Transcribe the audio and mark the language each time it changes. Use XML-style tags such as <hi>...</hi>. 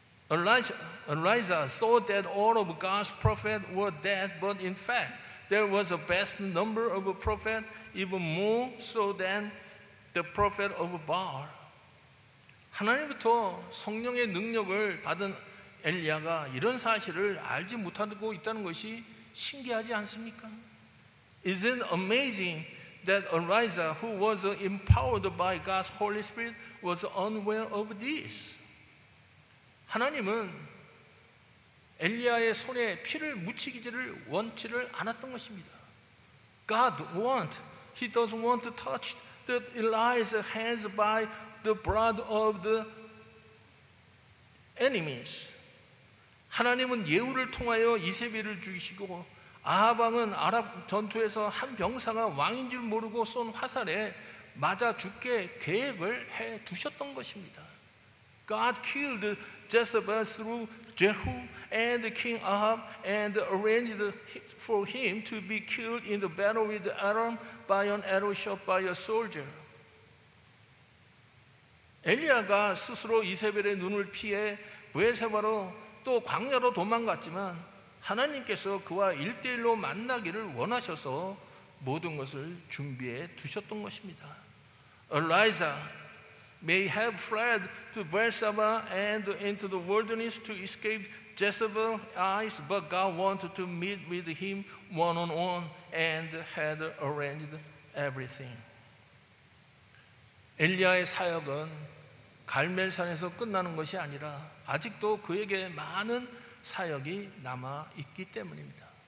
<en>Elijah thought that all of God's prophets were dead, but in fact, there was a vast number of prophets, even more so than the prophet of Baal.</en> <ko>하나님부터 성령의 능력을 받은 엘리야가 이런 사실을 알지 못하고 있다는 것이 신기하지 않습니까?</ko> <en>Isn't it amazing that Elijah, who was empowered by God's Holy Spirit, was unaware of this?</en> <ko>하나님은 엘리야의 손에 피를 묻히기를 원치를 않았던 것입니다.</ko> <en>He doesn't want to touch the Elijah's hands by the blood of the enemies.</en> <ko>하나님은 예후를 통하여 이세벨을 죽이시고 아합왕은 아랍 전투에서 한 병사가 왕인 줄 모르고 쏜 화살에 맞아 죽게 계획을 해 두셨던 것입니다.</ko> <en>God killed Jezebel through Jehu and King Ahab and arranged for him to be killed in the battle with Aram by an arrow shot by a soldier.</en> <ko>엘리야가 스스로 이세벨의 눈을 피해 부엘세바로 또 광야로 도망갔지만 하나님께서 그와 일대일로 만나기를 원하셔서 모든 것을 준비해 두셨던 것입니다.</ko> <en>Elijah may have fled to Beersheba and into the wilderness to escape Jezebel's eyes, but God wanted to meet with him one-on-one and had arranged everything.</en> <ko>엘리야의 사역은 갈멜산에서 끝나는 것이 아니라 아직도 그에게 많은 사역이 남아 있기 때문입니다.</ko>